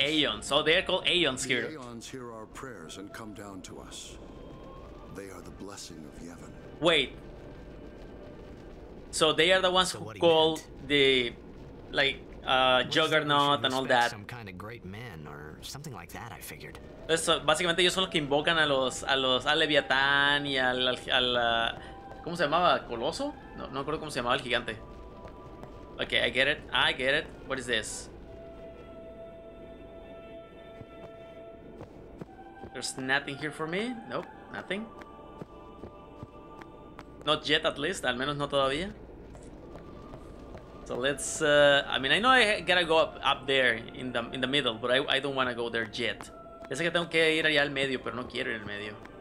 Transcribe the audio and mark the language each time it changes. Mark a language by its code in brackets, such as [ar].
[en] Aeons. So they are called Aeons here. The Aeons hear our prayers and come down to us. They are the blessing of Yavin. Wait. So they are the ones who call the like Juggernaut and all that. Some kind of great men or something like that, I figured. [es] Eso, básicamente ellos son los que invocan a los a Leviatán y al ¿cómo se llamaba? ¿Coloso? No recuerdo cómo se llamaba el gigante. [en] Okay, I get it. What is this? There's nothing here for me. Nope, nothing. Not yet, at least. [es] Al menos no todavía. [en] So let's. I mean, I know I gotta go up there in the middle, but I don't want to go there yet. [es] Pensé que tengo que ir allá al medio, pero no quiero ir al medio.